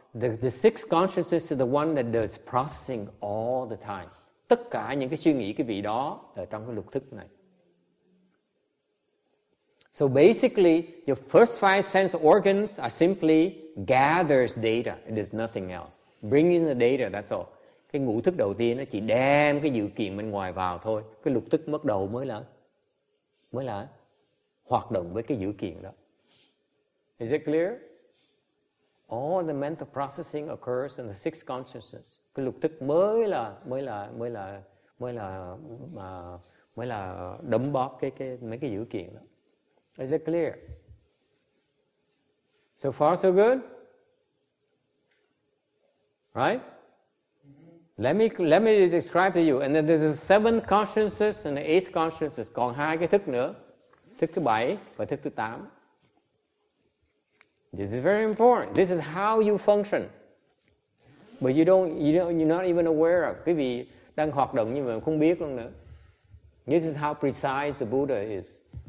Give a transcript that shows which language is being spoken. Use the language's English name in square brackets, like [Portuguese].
[English] The sixth consciousness is the one that does processing all the time. [Vietnamese] Tất cả những cái suy nghĩ cái vị đó ở trong cái lục thức này. [English] So basically, your first five sense organs are simply gathers data. It is nothing else. Bringing the data, that's all. [Vietnamese] Cái ngũ thức đầu tiên nó chỉ đem cái dự kiện bên ngoài vào thôi. Cái lục thức bắt đầu mới là hoạt động với cái dự kiện đó. [English] Is it clear? All the mental processing occurs in the sixth consciousness. [Vietnamese] Cái lục thức mới là đấm bóp mấy cái dự kiện đó. [English] Is it clear? So far, so good? Right? Let me describe to you. And then there's a seventh consciousness and the eighth consciousness. [Vietnamese] Còn hai cái thức nữa. Thức thứ bảy và thức thứ tám. [English] This is very important. This is how you function. But you're not even aware of. [Vietnamese] Quý vị đang hoạt động nhưng mà không biết luôn nữa. [English] This is how precise the Buddha is.